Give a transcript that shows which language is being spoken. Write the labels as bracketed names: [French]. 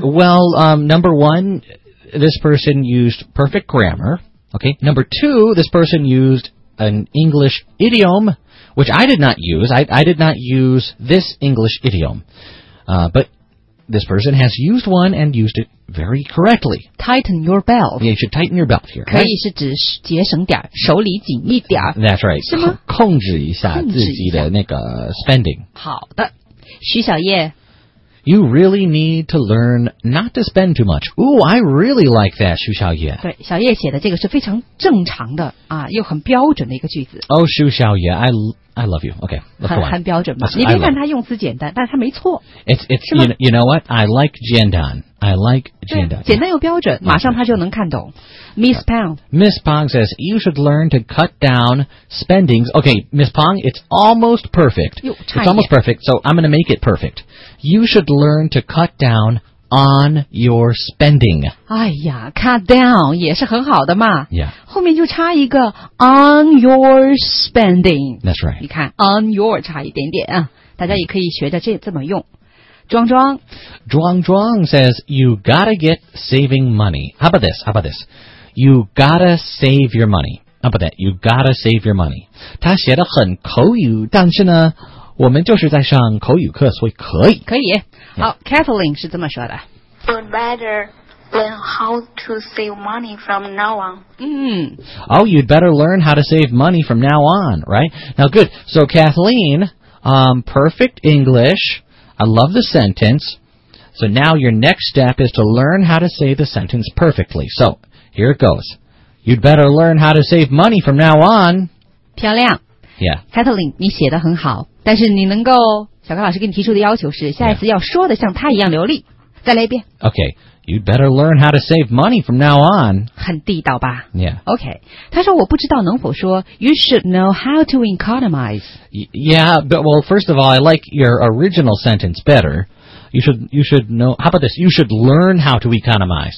[English] ？Well, number one, this person used perfect grammar.Okay, number two, this person used an English idiom, which I did not use. I did not use this English idiom. But this person has used one and used it very correctly. Tighten your belt. Yeah, you should tighten your belt here. [Chinese] 可以是指节省点，手里紧一点。 [English] That's right. [Chinese] 是吗？控制一下自己的那个 spending. 好的，徐小叶。 [English] You really need to learn not to spend too much. Ooh, I really like that, 徐小叶。 [Chinese] 对，小叶写的这个是非常正常的啊，又很标准的一个句子。 [English] Oh, 徐小叶, I love you. Okay, let's go on. [Chinese] 很标准吧？你别看他用词简单，但是他没错。 It's you know what? I like 简单.I like 简单。简单又标准，马上他就能看懂。 [English] Miss Pang. Miss Pang says you should learn to cut down spendings. Okay, Miss Pang, it's almost perfect. It's almost perfect, so I'm going to make it perfect. You should learn to cut down on your spending. [Chinese] 哎呀 ，cut down 也是很好的嘛。 [English] Yeah. [Chinese] 后面就差一个 on your spending. [English] That's right. [Chinese] 你看 on your 差一点点啊，大家也可以学着这么用。庄庄 [English] ，Zhuang Zhuang says you gotta get saving money. How about this? How about this? You gotta save your money. How about that? You gotta save your money. [Chinese] 他写得很口语，但是呢，我们就是在上口语课，所以可以。可以。Yeah. 好 ，Kathleen 是这么说的。 [English] You'd better learn how to save money from now on. [Chinese] 嗯。 [English] Oh, you'd better learn how to save money from now on, right? Now, good. So, Kathleen, perfect English. I love the sentence. So now your next step is to learn how to say the sentence perfectly. So here it goes. You'd better learn how to save money from now on. [Chinese] 漂亮。 [English] Yeah. [Chinese] Kathleen, 你写得很好。但是你能够，小柯老师给你提出的要求是，下一次要说得像他一样流利。再来一遍。 [English] Okay. You'd better learn how to save money from now on. [Chinese] 很地道吧。 [English] Yeah. Okay. [Chinese] 他说我不知道能否说 [English] You should know how to economize. Yeah, but well, first of all, I like your original sentence better. You should know, how about this? You should learn how to economize.